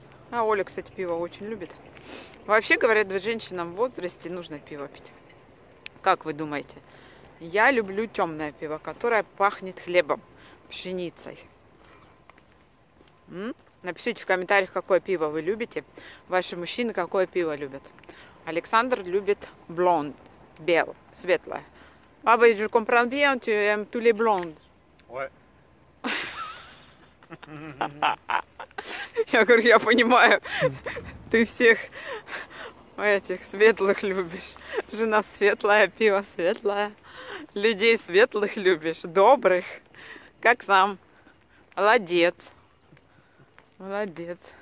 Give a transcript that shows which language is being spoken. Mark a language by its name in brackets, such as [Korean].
[Russian] А Оля, кстати, пиво очень любит. Вообще, говорят, женщинам в возрасте нужно пиво пить. Как вы думаете? Я люблю темное пиво, которое пахнет хлебом, пшеницей. Напишите в комментариях, какое пиво вы любите. Ваши мужчины какое пиво любят. Александр любит блонд, белое, светлое. [French] Баба, je comprends bien, tu aimes tous les blondes. Ouais. [Russian] Я говорю, я понимаю, ты всех этих светлых любишь. Жена светлая, пиво светлое. Людей светлых любишь, добрых. Как сам. Молодец. Молодец.